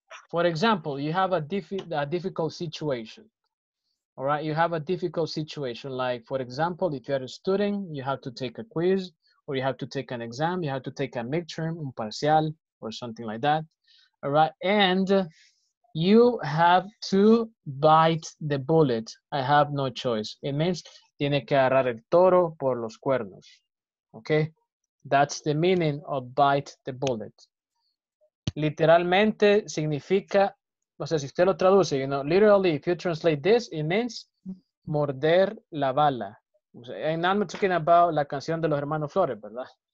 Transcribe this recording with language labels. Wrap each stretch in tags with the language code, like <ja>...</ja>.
<en>For example, you have a difficult situation. All right, you have a difficult situation. Like, for example, if you're a student, you have to take a quiz, or you have to take an exam, you have to take a midterm,</en> <es>un parcial,</es> <en>or something like that. All right, and you have to bite the bullet. I have no choice. It means,</en> <es>tiene que agarrar el toro por los cuernos.</es> <en>Okay, that's the meaning of bite the bullet.</en> <es>Literalmente significa, o sea, si usted lo traduce,</es> <en>you know, literally, if you translate this, it means</en> <es>morder la bala.</es> <en>And I'm not talking about</en> <es>la canción de los hermanos Flores, ¿verdad?</es>